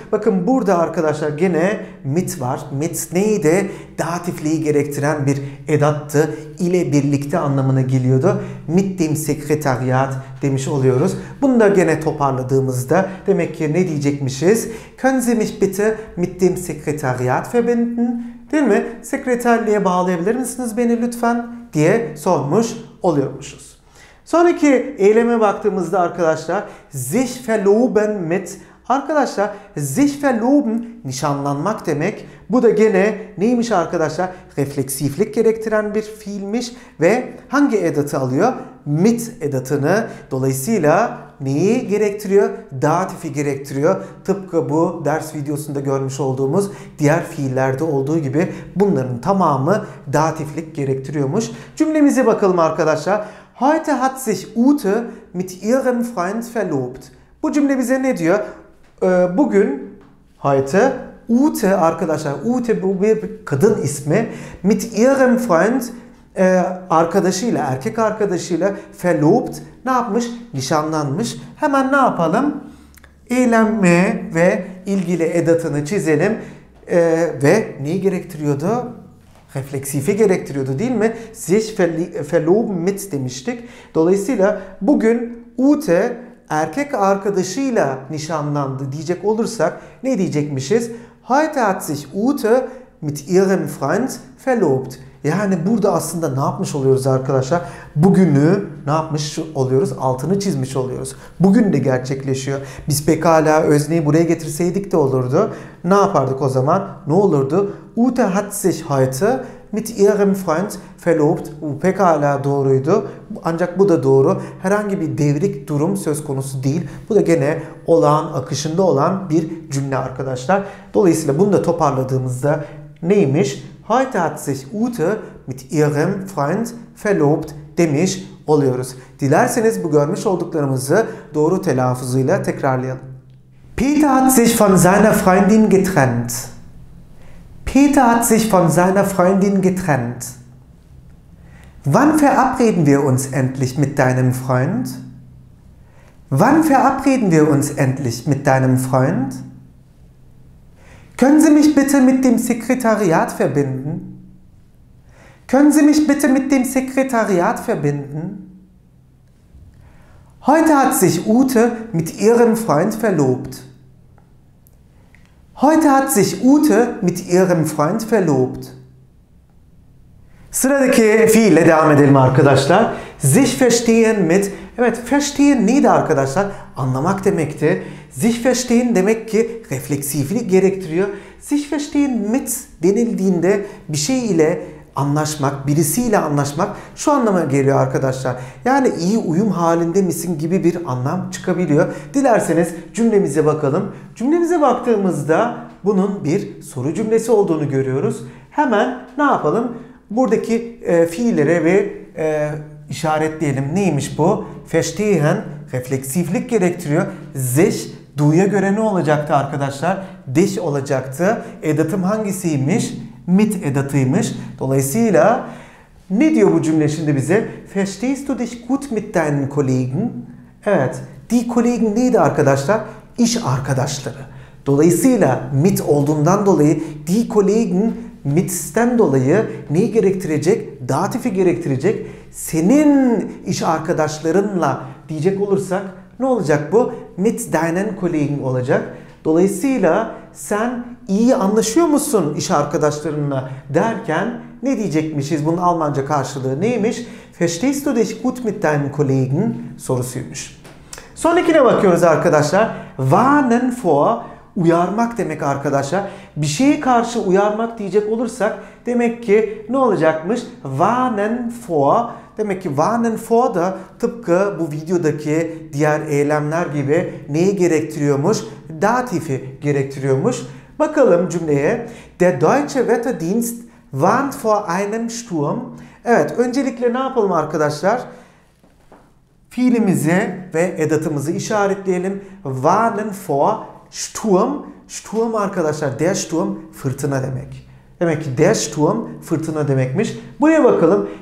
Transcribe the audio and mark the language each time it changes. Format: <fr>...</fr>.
<tr>Bakın burada arkadaşlar gene mit var. Mit neydi? Datifliği gerektiren bir edattı. İle birlikte anlamına geliyordu.</tr> <de>Mit dem Sekretariat</de> <tr>demiş oluyoruz. Bunu da gene toparladığımızda demek ki ne diyecekmişiz?</tr> <de>Können Sie mich bitte mit dem Sekretariat verbinden?</de> <tr>Değil mi? Sekreterliğe bağlayabilir misiniz beni lütfen diye sormuş oluyormuşuz. Sonraki eyleme baktığımızda arkadaşlar sich verloben mit. Arkadaşlar sich verloben nişanlanmak demek. Bu da gene neymiş arkadaşlar? Refleksiflik gerektiren bir fiilmiş ve hangi edatı alıyor? Mit edatını. Dolayısıyla neyi gerektiriyor? Datifi gerektiriyor. Tıpkı bu ders videosunda görmüş olduğumuz diğer fiillerde olduğu gibi bunların tamamı datiflik gerektiriyormuş. Cümlemize bakalım arkadaşlar.</tr> <de>Heute hat sich Ute mit ihrem Freund verlobt.</de> <tr>Bu cümle bize ne diyor? Bugün heute Ute arkadaşlar. Ute bu bir kadın ismi.</tr> <de>Mit ihrem Freund</de> <tr>arkadaşıyla, erkek arkadaşıyla verlobt. Ne yapmış? Nişanlanmış. Hemen ne yapalım? Eylemle ve ilgili edatını çizelim. Ve neyi gerektiriyordu? Refleksifi gerektiriyordu değil mi? Sich verloben mit demiştik. Dolayısıyla bugün Ute erkek arkadaşıyla nişanlandı diyecek olursak ne diyecekmişiz?</tr> <de>Heute hat sich Ute mit ihrem Freund verlobt.</de> <tr>Yani burada aslında ne yapmış oluyoruz arkadaşlar? Bugünü ne yapmış oluyoruz? Altını çizmiş oluyoruz. Bugün de gerçekleşiyor. Biz pekala özneyi buraya getirseydik de olurdu. Ne yapardık o zaman? Ne olurdu?</tr> <de>Ute hat sich heute mit ihrem Freund verlobt.</de> <tr>Bu pekala doğruydu. Ancak bu da doğru. Herhangi bir devrik durum söz konusu değil. Bu da gene olağan akışında olan bir cümle arkadaşlar. Dolayısıyla bunu da toparladığımızda neymiş?</tr> <de>Heute hat sich Ute mit ihrem Freund verlobt</de> <tr>demiş oluyoruz. Dilerseniz bu görmüş olduklarımızı doğru telaffuzuyla tekrarlayalım.</tr> <de>Peter hat sich von seiner Freundin getrennt. Peter hat sich von seiner Freundin getrennt. Wann verabreden wir uns endlich mit deinem Freund? Wann verabreden wir uns endlich mit deinem Freund? Können Sie mich bitte mit dem Sekretariat verbinden? Können Sie mich bitte mit dem Sekretariat verbinden? Heute hat sich Ute mit ihrem Freund verlobt. Heute hat sich Ute mit ihrem Freund verlobt.</de> <tr>Sıradaki fiille devam edelim arkadaşlar. Sich verstehen mit. Evet, verstehen neydi arkadaşlar? Anlamak demekti. Sich verstehen demek ki refleksiflik gerektiriyor. Sich verstehen mit denildiğinde bir şey ile anlaşmak, birisiyle anlaşmak şu anlama geliyor arkadaşlar. Yani iyi uyum halinde misin gibi bir anlam çıkabiliyor. Dilerseniz cümlemize bakalım. Cümlemize baktığımızda bunun bir soru cümlesi olduğunu görüyoruz. Hemen ne yapalım? Buradaki fiillere ve işaretleyelim. Neymiş bu? Verstehen, refleksiflik gerektiriyor. Zeş, duya göre ne olacaktı arkadaşlar? Deş olacaktı. Edatım hangisiymiş? Mit edatıymış. Dolayısıyla ne diyor bu cümle şimdi bize?</tr> <de>Verstehst du dich gut mit deinen Kollegen?</de> <tr>Evet, die Kollegen neydi arkadaşlar? İş arkadaşları. Dolayısıyla mit olduğundan dolayı, die Kollegen mit'ten dolayı neyi gerektirecek? Datifi gerektirecek. Senin iş arkadaşlarınla diyecek olursak ne olacak bu?</tr> <de>Mit deinen Kollegen</de> <tr>olacak. Dolayısıyla sen iyi anlaşıyor musun iş arkadaşlarınla derken ne diyecekmişiz? Bunun Almanca karşılığı neymiş?</tr> <de>Verstehst du dich gut mit deinen Kollegen sorusuymuş.</de> <tr>Sonrakine bakıyoruz arkadaşlar. Warnen vor, uyarmak demek arkadaşlar. Bir şeye karşı uyarmak diyecek olursak demek ki ne olacakmış? Warnen vor. Demek ki warnen vor da tıpkı bu videodaki diğer eylemler gibi neyi gerektiriyormuş? Datifi gerektiriyormuş. Bakalım cümleye.</tr> <de>Der Deutsche Wetterdienst warnt vor einem Sturm.</de> <tr>Evet, öncelikle ne yapalım arkadaşlar? Fiilimizi ve edatımızı işaretleyelim. Warnen vor Sturm. Sturm arkadaşlar, der Sturm fırtına demek. Demek ki der Sturm fırtına demekmiş. Buraya bakalım.</tr>